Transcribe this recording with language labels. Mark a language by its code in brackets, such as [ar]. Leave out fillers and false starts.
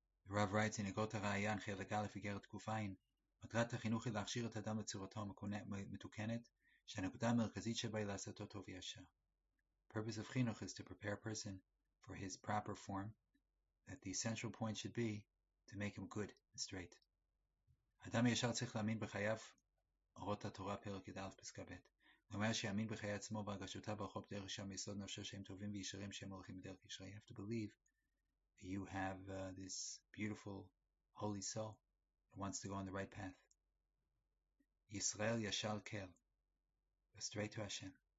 [he] רב רייטס, נגות הרעיין, חלק א' איגרת תקופיין. מטרת החינוך היא להכשיר את האדם לצורתו המתוקנת, שהנקודה המרכזית שבה היא לעשותו טוב וישר. [en] Purpose of חינוך is to prepare a person for his proper form, that the essential point should be to make him good and straight. [he] האדם הישר צריך להאמין בחייו אורות התורה פרק י"א פסקה ב'. הוא אומר שיאמין בחיי עצמו והרגשותיו הרחוב דרך שם יסוד נפשו שהם טובים וישרים שהם הולכים בדרך ישר. [en] You have to believe. You have this beautiful, holy soul that wants to go on the right path. Yisrael Yashal Kel, go straight to Hashem.